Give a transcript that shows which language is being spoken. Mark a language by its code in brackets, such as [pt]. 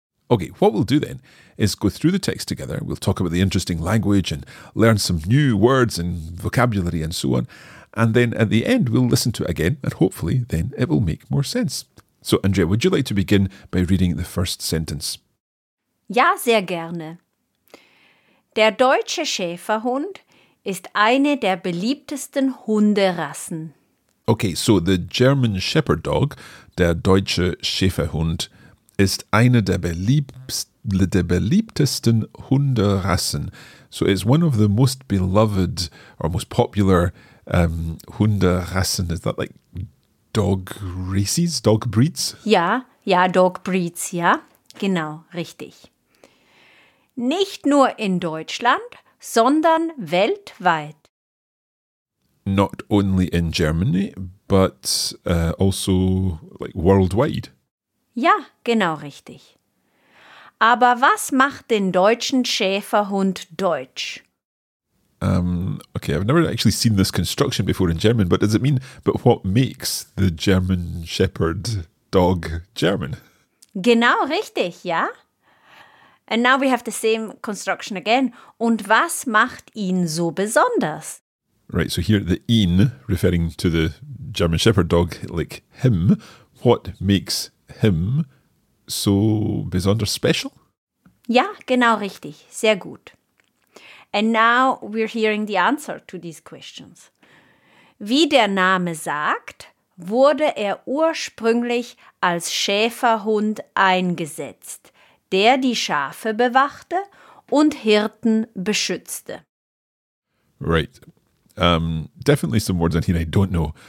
[en] Okay, what we'll do then is go through the text together. We'll talk about the interesting language and learn some new words and vocabulary and so on. And then at the end, we'll listen to it again, and hopefully then it will make more sense. So, Andrea, would you like to begin by reading the first sentence? [de] Ja, sehr gerne. Der deutsche Schäferhund ist eine der beliebtesten Hunderassen. [en] Okay, so the German Shepherd Dog, [de] der deutsche Schäferhund, ist eine der beliebtesten Hunderassen. [en] So it's one of the most beloved or most popular Hunderassen. Is that like dog races, dog breeds? [de] Ja, dog breeds, ja. Genau, richtig. Nicht nur in Deutschland, sondern weltweit. [en] Not only in Germany, but also like worldwide. [de] Ja, genau richtig. Aber was macht den deutschen Schäferhund deutsch? [en] Okay, I've never actually seen this construction before in German, but does it mean, but what makes the German Shepherd dog German? [de] Genau richtig, ja. [en] And now we have the same construction again. [de] Und was macht ihn so besonders? [en] Right, so here the ihn, referring to the German Shepherd dog, like him, what makes him so besonders special? [de] Ja, genau richtig. Sehr gut. [en] And now we're hearing the answer to these questions. [de] Wie der Name sagt, wurde er ursprünglich als Schäferhund eingesetzt, der die Schafe bewachte und Hirten beschützte. [en] Right. Definitely some words in here I don't know.